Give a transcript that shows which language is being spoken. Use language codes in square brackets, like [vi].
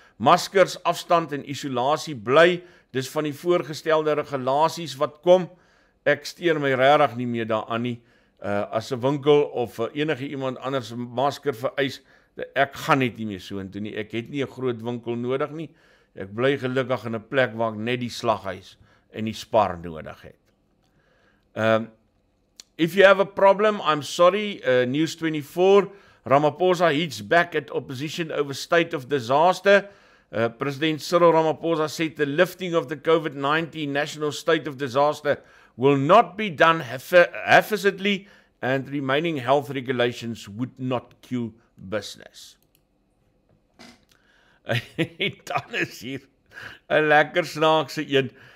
[af] Maskers, afstand en isolasie bly, dis van die voorgestelde regulasies wat kom, ek steer my regtig nie meer daaraan nie, as 'n winkel of enige iemand anders masker vereis, ek gaan net nie meer so en toe nie, ek het nie 'n groot winkel nodig nie, ek bly gelukkig in 'n plek waar ek net die slaghuis en die spar nodig het. [en] If you have a problem, I'm sorry, News 24, Ramaphosa heats back at opposition over state of disaster. President Cyril Ramaphosa said the lifting of the COVID-19 national state of disaster will not be done haphazardly and remaining health regulations would not kill business. [af] Dan is hier een lekker snaakse een.